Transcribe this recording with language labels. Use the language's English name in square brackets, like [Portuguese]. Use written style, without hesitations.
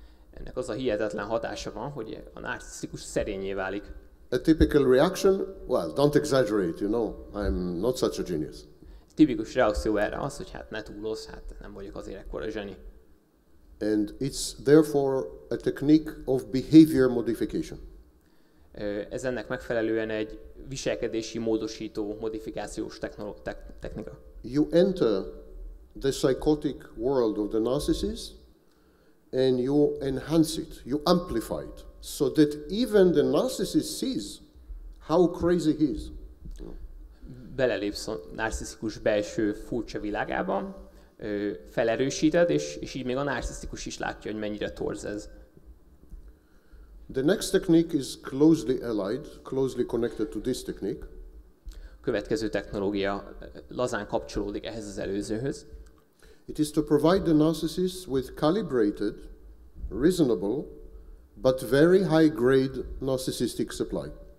[Hungarian] Ennek az a hihetetlen hatása van, hogy a narcisztikus szerényé válik. [English] A typical reaction? Well, don't exaggerate, you know, I'm not such a genius. [Hungarian] A tipikus reakció erre az, hogy hát ne túlozz, hát nem vagyok azért ekkora zseni. [English] And it's therefore a technique of behavior modification. [Hungarian] Ez ennek megfelelően egy viselkedési módosító, modifikációs technika. [English] You enter the psychotic world of the narcissist and you enhance it, you amplify it, so that even the narcissist sees how crazy he is. [Hungarian] Belelépsz a narcisztikus belső furcsa világába, felerősíted, és így még a narcisztikus is látja, hogy mennyire torz ez. [English] The next technique is closely connected to this technique. [Hungarian] A következő technológia lazán kapcsolódik ehhez az előzőhöz. [English] It is to provide the narcissist with calibrated, reasonable, but very high-grade narcissistic supply.